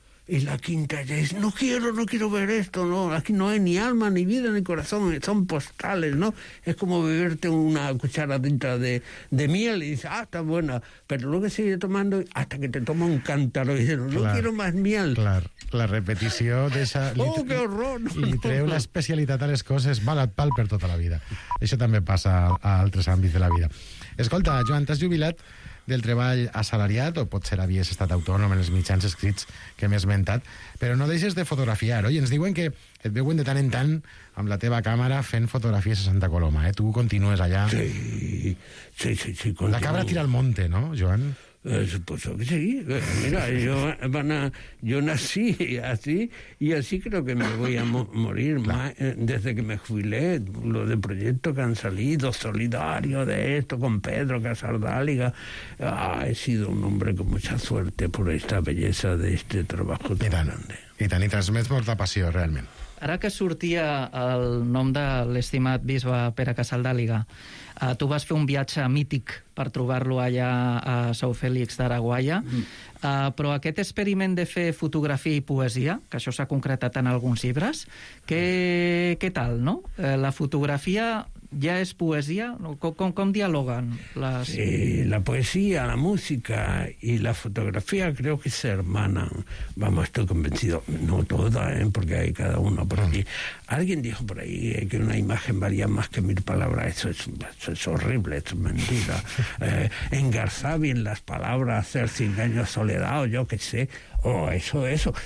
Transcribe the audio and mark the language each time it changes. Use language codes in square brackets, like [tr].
[es] Y la quinta ya dice, no quiero ver esto, no, aquí no hay ni alma, ni vida, ni corazón, son postales, ¿no? Es como beberte una cucharadita de miel y dices, ah, está buena, pero luego sigue tomando hasta que te toma un cántaro y dices, no, claro, quiero más miel. Claro, la repetición de esa... ¡Oh, qué horror! No, y trae una especialitat a les coses, mal et pal per tota la vida. [ca] Això també passa a altres àmbits de la vida. Escolta, Joan, t'has jubilat del treball assalariat, o potser havies estat autònom en els mitjans escrits que m'he esmentat, però no deixes de fotografiar, oi? Ens diuen que et veuen de tant en tant amb la teva càmera fent fotografies a Santa Coloma, eh? Tu continues allà. Sí, continuo. [es] La cabra tira al monte, no, Joan? Pues sí, mira, yo nací así y así creo que me voy a morir, claro. Más, desde que me jubilé, lo de proyectos que han salido, solidario de esto, con Pedro Casardáliga, he sido un hombre con mucha suerte por esta belleza de este trabajo tan grande. [ca] I tant, i transmet molta passió, realment. Ara que sortia el nom de l'estimat bisbe Pere Casaldàliga, tu vas fer un viatge mític per trobar-lo allà a São Félix d'Araguaia, però aquest experiment de fer fotografia i poesia, que això s'ha concretat en alguns llibres, què tal, no? La fotografia ja és poesia? Com dialoguen les... [es] Sí, la poesia, la música y la fotografía creo que se hermanan. Vamos, estoy convencido. No toda, ¿eh? Porque hay cada uno por aquí. Alguien dijo por ahí que una imagen valía más que mil palabras. Eso es horrible, eso es mentira. Engarzar bien las palabras, hacer 100 años soledad o yo qué sé. Eso.